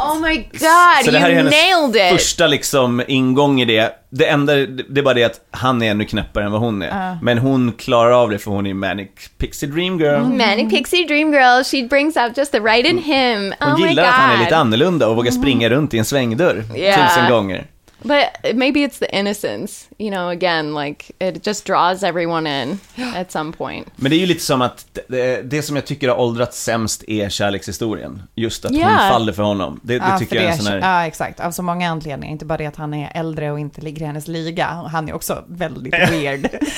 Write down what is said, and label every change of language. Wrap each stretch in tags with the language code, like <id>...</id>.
<en>Oh my god, så you nailed it.</en> <sv>Första liksom ingång i det. Det enda, det är bara det att han är ännu knäppare än vad hon är. Men hon klarar av det för hon är manic pixie dream girl.</sv> <en>Manic pixie dream girl, she brings out just the right in him.</en> <sv>Hon gillar att han är lite annorlunda och vågar springa runt i en svängdörr tusen gånger.</sv> <en>But maybe it's the innocence, you know, again, like, it just draws everyone in at some point.</en> <sv>Men det är ju lite som att det som jag tycker har åldrat sämst är kärlekshistorien. Just att hon faller för honom. Det tycker jag är en sån här... Ja, exakt. Av så många anledningar. Inte bara det att han är äldre och inte ligger i hennes liga. Han är också väldigt weird.</sv>